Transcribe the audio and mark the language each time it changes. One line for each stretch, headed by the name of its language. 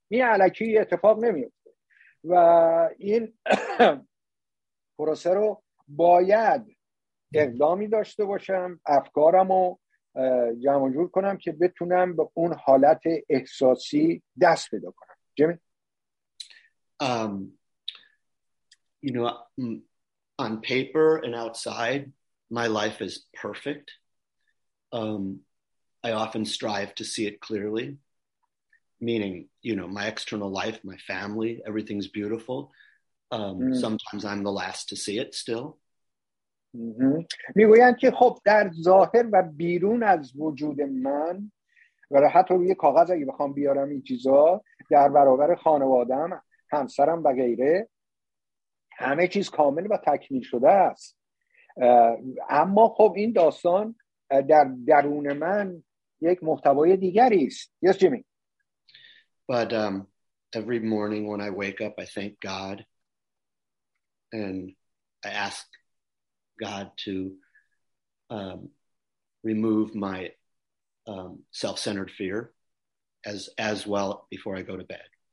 Persian: می علکی اتفاق نمیفته و این پروسه رو باید اقدامی داشته باشم، افکارم رو جمع جور کنم که بتونم به اون حالت احساسی دست پیدا کنم. جمعی؟
English: You know, on paper and outside, my life is perfect. I often strive to see it clearly, meaning, you know, my external life, my family, everything's beautiful. Sometimes I'm the last to see it still.
Persian: میگویند که خب در ظاهر و بیرون از وجود من و حتی روی کاغذ اگه بخوام بیارم این چیزا در برابر خانوادم، همسرم و غیره، همه چیز کامل و تکمیل شده است. اما خب این داستان در درون من یک محتوای دیگری است.
English: Yes, Jimmy. But every morning when I wake up, I thank God and I ask God to remove my self-centered fear as well before I go to bed.